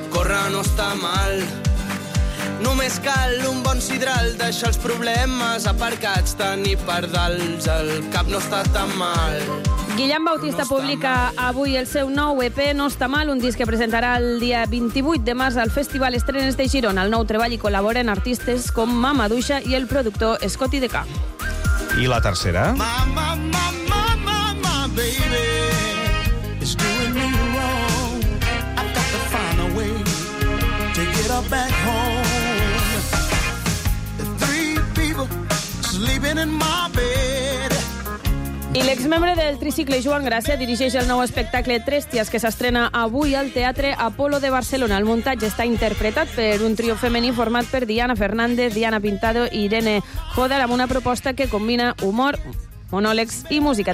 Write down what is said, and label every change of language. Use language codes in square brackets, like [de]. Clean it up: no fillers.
[ca] córrer no està mal. Només cal un bon sidral, deixar els problemes aparcats, tenir per dalt, el cap no està tan mal. Guillem Bautista publica avui el seu nou EP, No està mal, un disc que presentarà el dia 28 de març al Festival Estrenes de Girona. El nou treball hi col·laboren artistes com Mama Duixa i el productor Scotty DeCa. I la tercera? [en] Mama, mama, mama, baby, it's doing me wrong. I've got to find a way to get up back home. Three people sleeping in my bed. [ca] I l'exmembre del Tricicle, Joan Gràcia, dirigeix el nou espectacle Trèsties, que s'estrena avui al Teatre Apolo de Barcelona. El muntatge està interpretat per un trio femení format per Diana Fernández, Diana Pintado i Irene Jodar, amb una proposta que combina humor, monòlegs i música.